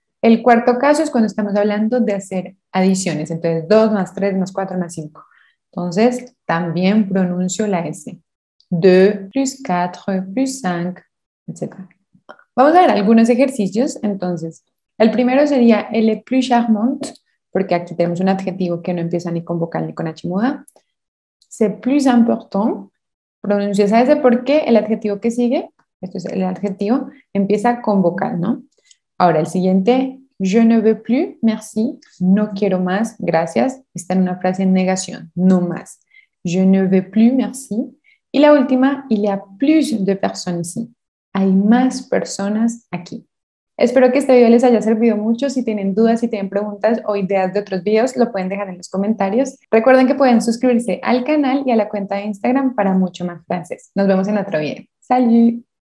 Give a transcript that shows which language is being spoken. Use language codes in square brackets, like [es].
[es] El cuarto caso es cuando estamos hablando de hacer adiciones, entonces 2 más 3 más 4 más 5. Entonces, también pronuncio la S. [fr] 2 plus 4 plus 5, [es] etc. Vamos a ver algunos ejercicios, entonces. El primero sería [fr] le plus charmant, [es] porque aquí tenemos un adjetivo que no empieza ni con vocal ni con H muda. [fr] C'est plus important. [es] Pronuncio esa S porque el adjetivo que sigue, esto es el adjetivo, empieza con vocal, ¿no? Ahora, el siguiente, [fr] je ne veux plus, merci, [es] no quiero más, gracias. Está en una frase en negación, no más. [fr] Je ne veux plus, merci. [es] Y la última, [fr] il y a plus de personnes ici. [es] Hay más personas aquí. Espero que este video les haya servido mucho. Si tienen dudas, si tienen preguntas o ideas de otros videos, lo pueden dejar en los comentarios. Recuerden que pueden suscribirse al canal y a la cuenta de Instagram para mucho más francés. Nos vemos en otro video. ¡Salud!